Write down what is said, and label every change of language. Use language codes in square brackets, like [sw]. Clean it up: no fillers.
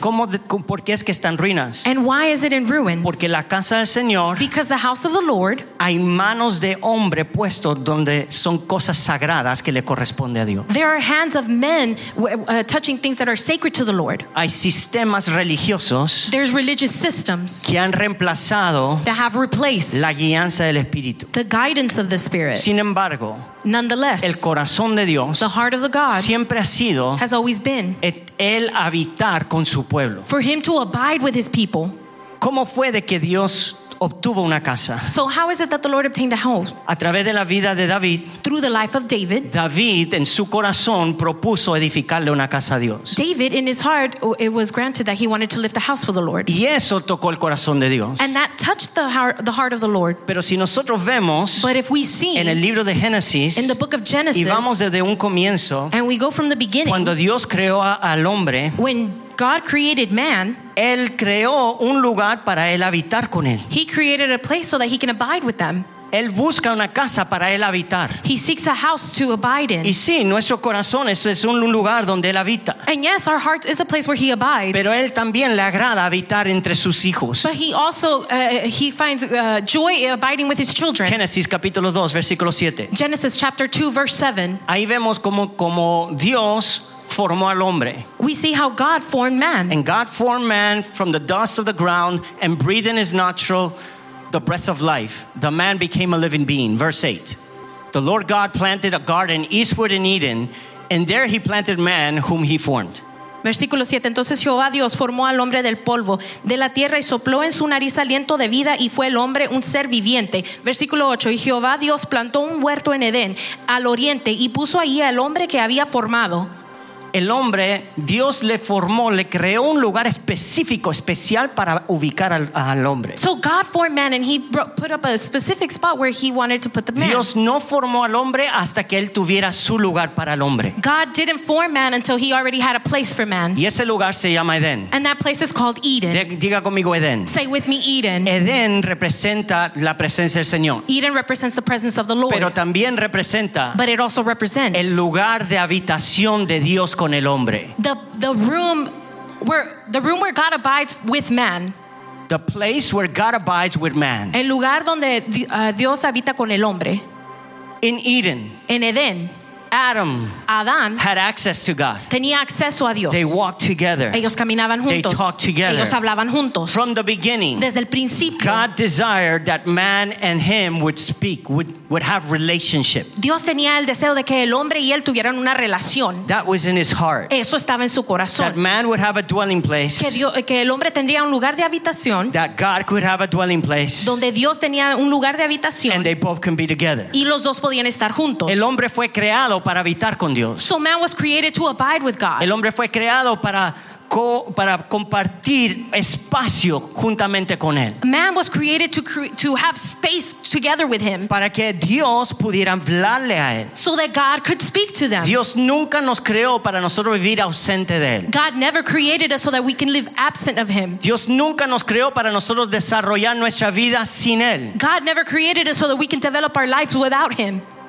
[es] Y cómo, por qué es que está en ruinas. [en] And why is it in ruins? [es] Porque la casa del Señor. [en] Because the house of the Lord. [es] Hay manos de hombre puesto donde son cosas sagradas que le corresponde a Dios. [en] There are hands of men touching things that are sacred to the Lord. [es] Hay sistemas religiosos. [en] There's religious systems. [es] Que han reemplazado. [en] That have replaced. [es] La guianza del Espíritu. [en] The guidance of the Spirit. [es] Sin embargo, [en] nonetheless, [es] el corazón de Dios, [en] the heart of the God, [es] siempre ha sido, [en] has always been, [es] el habitar con su pueblo. [en] For him to abide with his people. [es] ¿Cómo fue de que Dios obtuvo una casa? [en] So how is it that the Lord obtained a house? [es] A través de la vida de David. [en] Through the life of David. [es] David en su corazón propuso edificarle una casa a Dios. [en] David in his heart it was granted that he wanted to lift a house for the Lord. [es] Y eso tocó el corazón de Dios. [en] And that touched the heart of the Lord. [es] Pero si nosotros vemos, [en] but if we see [es] en el libro de Génesis, [en] in the book of Genesis, [es] y vamos desde un comienzo, [en] and we go from the beginning, [es] cuando Dios creó al hombre, [en] when God created man, [es] él creó un lugar para él habitar con él. [en] He created a place so that he can abide with them. [es] Él busca una casa para él habitar. [en] He seeks a house to abide in. [es] Y sí, nuestro corazón es un lugar donde él habita. [en] And yes, our heart is a place where he abides. [es] Pero él también le agrada habitar entre sus hijos. [en] But he also he finds joy abiding with his children. [es] Génesis capítulo 2 versículo 7. [en] Genesis chapter 2 verse 7. [es] Ahí vemos como Dios formó al hombre. [en] We see how God formed man. And God formed man from the dust of the ground and breathed in his nostril the breath of life. The man became a living being. Verse 8. The Lord God planted a garden eastward in Eden, and there he planted man whom he formed. [es] Versículo 7. Entonces Jehová Dios formó al hombre del polvo de la tierra y sopló en su nariz aliento de vida, y fue el hombre un ser viviente. Versículo 8. Y Jehová Dios plantó un huerto en Edén, al oriente, y puso ahí al hombre que había formado. El hombre, Dios le formó, le creó un lugar específico, especial para ubicar al hombre. [en] So God formed man and he put up a specific spot where he wanted to put the man. [es] Dios no formó al hombre hasta que él tuviera su lugar para el hombre. [en] God didn't form man until he already had a place for man. [es] Y ese lugar se llama Edén. [en] And that place is called Eden. [es] Diga conmigo Edén. [en] Say with me Eden. [es] Edén representa la presencia del Señor. [en] Eden represents the presence of the Lord. [es] Pero también representa, [en] but it also represents, [es] el lugar de habitación de Dios con el hombre. [en] The room where God abides with man. The place where God abides with man. [es] El lugar donde Dios habita con el hombre. [en] In Eden. [es] En Edén. [en] Adam. [es] Adán. [en] Had access to God. [es] Tenía acceso a Dios. [en] They walked together. [es] Ellos caminaban juntos. [en] They talked together. [es] Ellos hablaban juntos. [en] From the beginning. [es] Desde el principio. [en] God desired that man and him would speak, would have relationship. [es] Dios tenía el deseo de que el hombre y él tuvieran una relación. [en] That was in his heart. [es] Eso estaba en su corazón. [en] That man would have a dwelling place. [es] Que el hombre tendría un lugar de habitación. [en] That God could have a dwelling place. [es] Donde Dios tenía un lugar de habitación. [en] And they both can be together. [es] Y los dos podían estar juntos. El hombre fue creado para habitar con Dios. [en] So man was created to abide with God. [es] El hombre fue creado para compartir espacio juntamente con él. [en] Man was created to have space together with him. [es] Para que Dios pudiera hablarle a él. [en] So that God could speak to them. [es] Dios nunca nos creó para nosotros vivir ausente de él. [en] God never created us so that we can live absent of him. [es] Dios nunca nos creó para nosotros desarrollar nuestra vida sin él. [en] God never created us so that we can develop our lives without him.